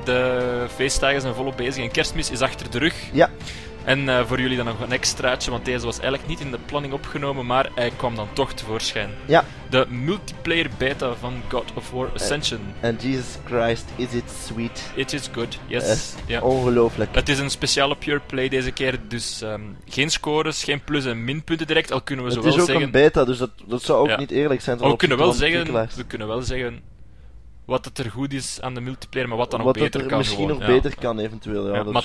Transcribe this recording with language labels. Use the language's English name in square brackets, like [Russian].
[Dutch] De feestdagen zijn volop bezig en kerstmis is achter de rug. Ja. En voor jullie dan nog een extraatje, want deze was eigenlijk niet in de planning opgenomen, maar hij kwam dan toch tevoorschijn. Ja. De multiplayer beta van God of War Ascension. [English] And Jesus Christ, is it sweet. It is good, yes. [Dutch] Ongelooflijk. Het is een speciale Pure Play deze keer, dus geen scores, geen plus- en minpunten direct, al kunnen we zo wel zeggen... Het is ook een beta, dus dat zou ook niet eerlijk zijn. We kunnen wel zeggen... Wat het er goed is aan de multiplayer, maar wat dan wat nog beter kan. Wat misschien gewoon, nog beter kan, eventueel. Ja,